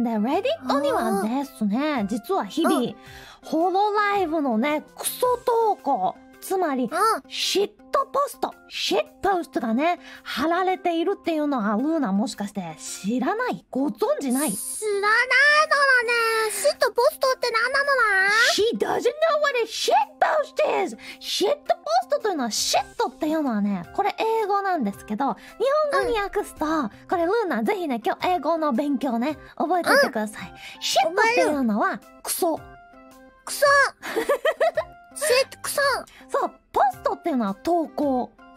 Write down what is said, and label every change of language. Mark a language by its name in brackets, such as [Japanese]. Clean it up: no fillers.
[Japanese] で、Reddit にはですね、実は日々、ホロライブのね、クソ投稿、つまり、シットポストがね、貼られているっていうのは、ルーナもしかして知らない？ご存じない？知らないのだね。シットポストって何なのだ？ [English] She doesn't know what a shit post is! [Japanese] シットポストというのは、シットっていうのはね、これ英語なんですけど、日本語に訳すと、これルーナぜひね、今日英語の勉強ね、覚えておいてください。シットっていうのは、クソ。クソシットクソ。そう、ポストっていうのは投稿。